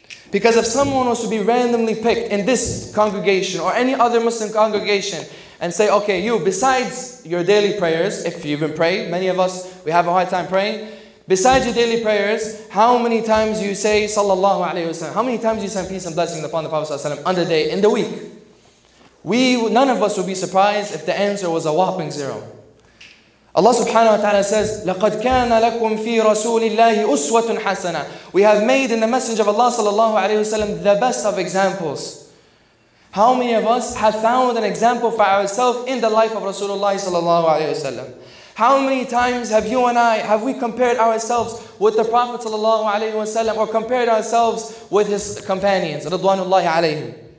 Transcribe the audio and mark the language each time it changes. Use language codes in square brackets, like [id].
[en] Because if someone was to be randomly picked in this congregation or any other Muslim congregation, and say, okay, you, besides your daily prayers, if you even pray, many of us, we have a hard time praying. Besides your daily prayers, how many times you say, sallallahu alayhi wa sallam, how many times you send peace and blessings upon the Prophet sallallahu alayhi wa sallam on the day, in the week? None of us would be surprised if the answer was a whopping zero. Allah subhanahu wa ta'ala says, [ar] لَقَدْ كَانَ لَكُمْ فِي رَسُولِ اللَّهِ أُسْوَةٌ حَسَنًا. [en] We have made in the Messenger of Allah sallallahu alayhi wa sallam the best of examples. How many of us have found an example for ourselves in the life of Rasulullah sallallahu alaihi wasallam? How many times have you and I, have we compared ourselves with the Prophet sallallahu alaihi wasallam, or compared ourselves with his companions, radwanullahi alayhi?